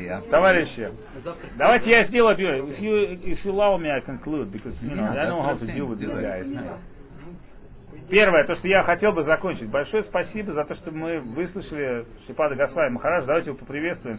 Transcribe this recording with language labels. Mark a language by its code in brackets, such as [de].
[ru] Товарищи, давайте я сделаю. [en] If you allow me, I conclude, because you know, I know how to deal with these guys. [ru] Первое, то, что я хотел бы закончить. Большое спасибо за то, что мы выслушали Шипада Госвами Махарадж. Давайте его поприветствуем.